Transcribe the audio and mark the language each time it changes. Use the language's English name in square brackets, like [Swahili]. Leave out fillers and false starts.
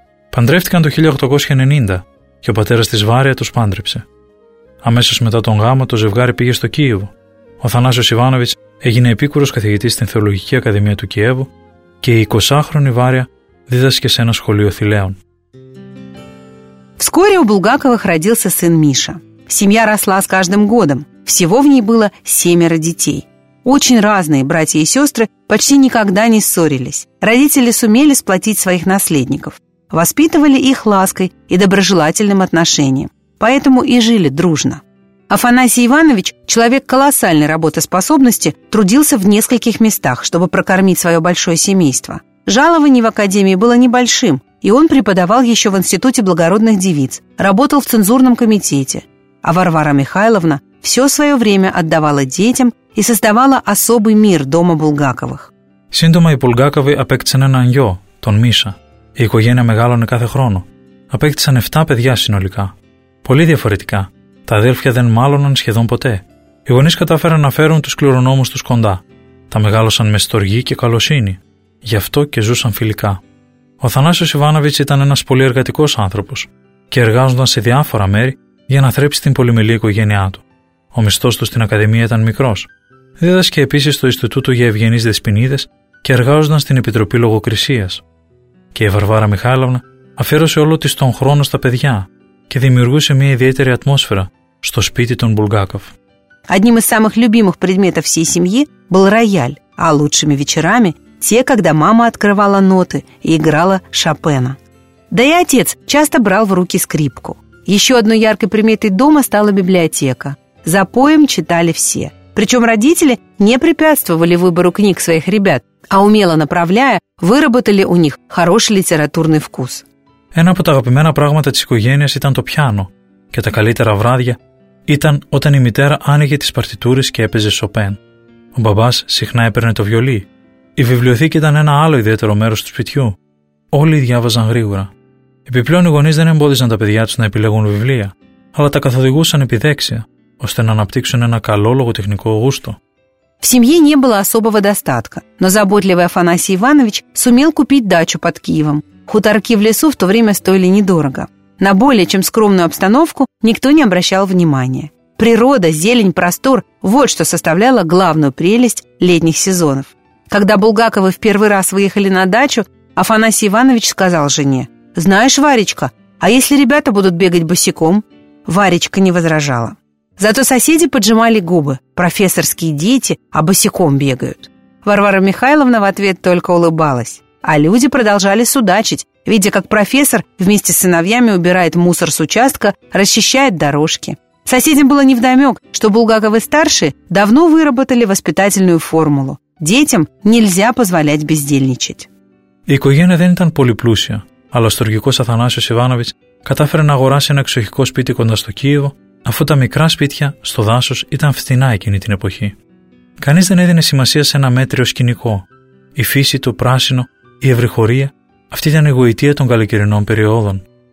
[Greek] Παντρεύτηκαν το 1890 και ο πατέρας της Βάρια τους πάντρεψε. Αμέσως μετά τον γάμο το ζευγάρι πήγε στο Κίεβο. Ο Θανάσιος Ιβάνοβιτς έγινε επίκουρος καθηγητής στην Θεολογική Ακαδημία του Κιέβου και η 20χρονη Βάρια δίδασκε σε ένα σχολείο θηλαίων. [Russian] Вскоре у Булгаковых родился сын Миша. Семья росла с каждым годом. Всего в ней было 7 детей. Очень разные братья и сестры почти никогда не ссорились. Родители сумели сплотить своих наследников. Воспитывали их лаской и доброжелательным отношением. Поэтому и жили дружно. Афанасий Иванович, человек колоссальной работоспособности, трудился в нескольких местах, чтобы прокормить свое большое семейство. Жалование в академии было небольшим, и он преподавал еще в Институте благородных девиц, работал в цензурном комитете. А Варвара Михайловна все свое время отдавала детям и создавала особый мир дома Булгаковых. [Greek] Сύντομα οι Булгаковы απέκτησαν έναν γιο, τον Миша. Η οικογένεια μεγάλωνε κάθε χρόνο. Απέκτησαν 7 παιδιά συνολικά. Πολύ διαφορετικά. Τα αδέλφια δεν μάλωναν σχεδόν ποτέ. Οι γονείς κατάφεραν να φέρουν τους κληρονόμους τους κοντά. Τα μεγάλωσαν με στοργή και καλοσύνη. Γι' αυτό και ζούσαν φιλικά. Ο Θανάσιος Ιβάνοβιτς ήταν ένας πολύ εργατικός άνθρωπος και εργάζονταν σε διάφορα μέρη για να θρέψει την πολυμελή οικογένειά του. Ο μισθός του στην Ακαδημία ήταν μικρός. Δίδασκε επίσης στο Ινστιτούτο για Ευγενείς Δεσποινίδες και εργάζονταν στην Επιτροπή Λογοκρισίας. Και η Βαρβάρα Μιχάλαβνα αφιέρωσε όλο της τον χρόνο στα παιδιά και δημιουργούσε μια ιδιαίτερη ατμόσφαιρα στο σπίτι των Μπουλγάκοφ. [Russian] Одним из самых любимых предметов всей семьи был рояль, а лучшими вечерами те, когда мама открывала ноты и играла Шопена. Да и отец часто брал в руки скрипку. Еще одной яркой приметой дома стала библиотека. За поем читали все. Причем родители не препятствовали выбору книг своих ребят, а умело направляя, выработали у них хороший литературный вкус. [Greek] Ένα από τα αγαπημένα πράγματα της οικογένειας ήταν το πιάνο και τα καλύτερα βράδια ήταν όταν η μητέρα άνοιγε τις παρτιτούρες και έπαιζε Σοπέν. Ο μπαμπάς συχνά έπαιρνε το βιολί. Η βιβλιοθήκη ήταν ένα άλλο ιδιαίτερο μέρος του σπιτιού. Όλοι διάβαζαν γρήγορα. Επιπλέον οι γονείς δεν εμπόδιζαν τα παιδιά τους να επιλέγουν βιβλία, αλλά τα καθοδηγούσαν επιδέξια, ώστε να αναπτύξουν ένα καλό λογοτεχνικό γούστο. [Russian] В семье не было особого достатка, но заботливый Афанасий Иванович сумел купить дачу под Киевом. Хуторки в лесу в то время стоили недорого. На более чем скромную обстановку никто не обращал внимания. Природа, зелень, простор – вот что составляло главную прелесть летних сезонов. Когда Булгаковы в первый раз выехали на дачу, Афанасий Иванович сказал жене: «Знаешь, Варечка, а если ребята будут бегать босиком?» Варечка не возражала. Зато соседи поджимали губы. Профессорские дети, а босиком бегают. Варвара Михайловна в ответ только улыбалась. А люди продолжали судачить, видя, как профессор вместе с сыновьями убирает мусор с участка, расчищает дорожки. Соседям было невдомек, что Булгаковы-старшие давно выработали воспитательную формулу. Детям нельзя позволять бездельничать. [Greek] Η οικογένεια δεν ήταν πολύ πλούσια, αλλά ο στοργικός Αθανάσιος Ιβάνοβιτς κατάφερε να αγοράσει ένα εξοχικό σπίτι κοντά στο Κίεβο, αφού τα μικρά σπίτια στο δάσος ήταν φθηνά εκείνη την εποχή. Κανείς δεν έδινε σημασία σε ένα μέτριο σκηνικό. Η φύση, το πράσινο, η ευρυχωρία, αυτή ήταν η γοητεία των καλοκαιρινών περιόδων.